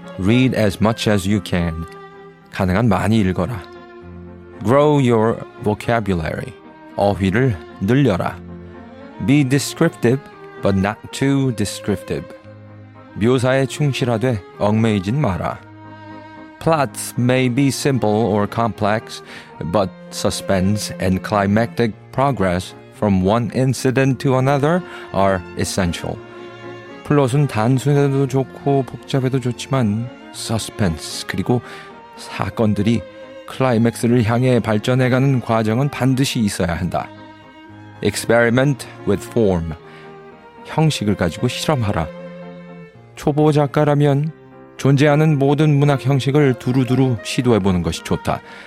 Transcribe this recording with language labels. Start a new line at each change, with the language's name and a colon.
English: Read as much as you can.
Korean: 가능한 많이 읽어라.
English: Grow your vocabulary.
Korean: 어휘를 늘려라.
English: Be descriptive, but not too descriptive.
Korean: 묘사에 충실하되 얽매이진 마라.
English: Plots may be simple or complex, but suspense and climactic progress from one incident to another are essential.
Korean: 플롯은 단순해도 좋고 복잡해도 좋지만 suspense 그리고 사건들이 클라이맥스를 향해 발전해가는 과정은 반드시 있어야 한다.
English: Experiment with form.
Korean: 형식을 가지고 실험하라. 초보 작가라면 존재하는 모든 문학 형식을 두루두루 시도해보는 것이 좋다.